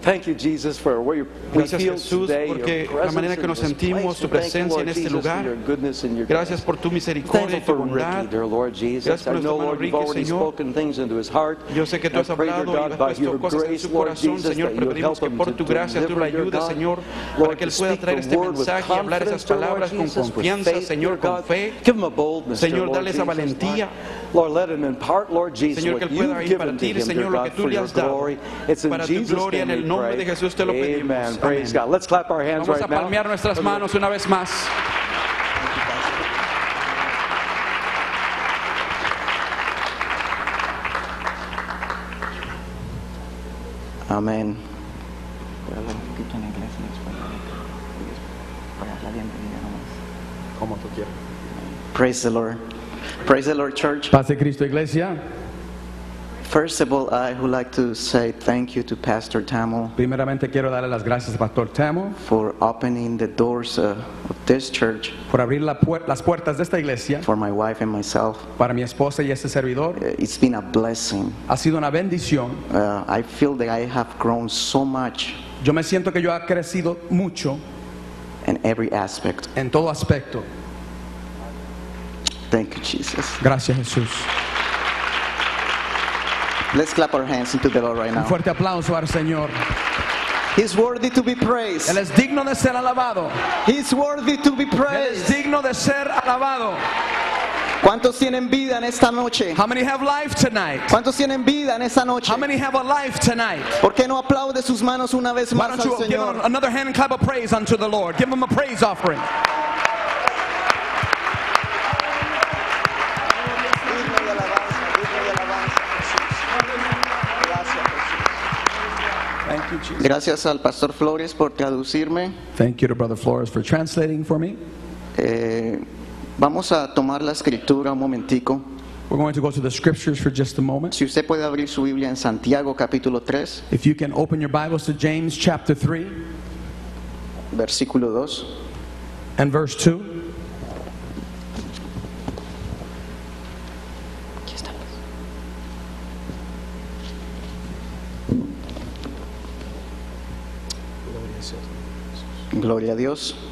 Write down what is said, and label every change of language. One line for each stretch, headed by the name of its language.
English: Thank you, Jesus, for where you feel today.
Spanish: Gracias, Jesús, porque la manera que nos sentimos, tu presencia en este lugar. Gracias por tu misericordia y tu bondad.
English: Dear Lord Jesus, I know, Lord, you've already spoken things into his heart.
Spanish: Yo sé que tú has hablado y has puesto cosas en su corazón, Señor. Pero pedimos que por tu gracia, tú lo ayudes, Señor, para que él pueda traer este mensaje y hablar esas palabras con confianza, Señor, con fe.
English: Give him a boldness,
Spanish: Señor, dale esa valentía.
English: Lord, let him impart, Lord Jesus,
Spanish: Señor, que él pueda impartir, Señor, lo que tú le has dado.
English: It's in
Spanish: para tu gloria, en el nombre de Jesús te lo pedimos.
English: Amen. Praise God. Let's clap our hands.
Spanish: Vamos a palmear nuestras manos una vez más. Amén. Como tú quieras.
English: Praise the Lord. Praise the Lord, Church.
Spanish: Pase Cristo, Iglesia.
English: First of all, I would like to say thank you to Pastor Tamil.
Spanish: Primeramente quiero darle las gracias a Pastor Tamil
English: for opening the doors of this church.
Spanish: Por abrir las puertas de esta iglesia.
English: For my wife and myself.
Spanish: Para mi esposa y este servidor.
English: It's been a blessing.
Spanish: Ha sido una bendición.
English: I feel that I have grown so much.
Spanish: Yo me siento que yo he crecido mucho.
English: In every aspect.
Spanish: En todo aspecto.
English: Thank you, Jesus.
Spanish: Gracias, Jesús.
English: Let's clap our hands into the Lord right now.
Spanish: Un fuerte aplauso al Señor.
English: He's worthy to be praised.
Spanish: Él es digno de ser alabado.
English: He's worthy to be praised.
Spanish: Él es digno de ser alabado. ¿Cuántos tienen vida en esta noche?
English: How many have life tonight?
Spanish: ¿Cuántos tienen vida en esta noche?
English: How many have a life tonight?
Spanish: ¿Por qué no aplaude sus manos una vez más al Señor?
English: Why don't you give another hand and clap of praise unto the Lord? Give him a praise offering.
Spanish: Gracias al Pastor Flores por traducirme.
English: Thank you to Brother Flores for translating for me.
Spanish: Vamos a tomar la escritura un momentico.
English: We're going to go to the scriptures for just a moment.
Spanish: Si usted puede abrir su Biblia en Santiago capítulo 3.
English: If you can open your Bibles to James chapter 3.
Spanish: Versículo 2.
English: And verse 2.
Spanish: Aquí estamos. Gloria a Dios.